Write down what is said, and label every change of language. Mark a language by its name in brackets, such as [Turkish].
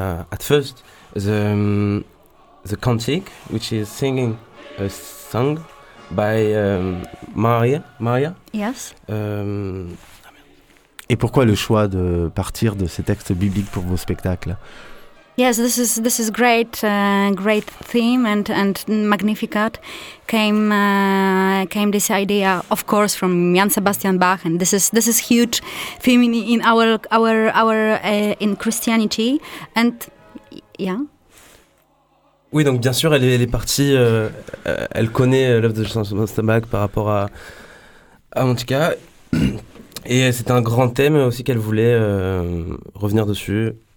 [English] at first the cantique, which is singing a song by Maria. Yes. [French] Et pourquoi le choix de partir de ces textes bibliques pour vos spectacles? [English] Yes, this is great, great theme and Magnificat came this idea, of course, from Jan Sebastian Bach, and this is huge theme in our in Christianity, and yeah. [French] Oui, donc bien sûr, elle est partie, elle connaît l'œuvre de Jan Sebastian Bach par rapport à Montica, et c'est un grand thème aussi qu'elle voulait revenir dessus.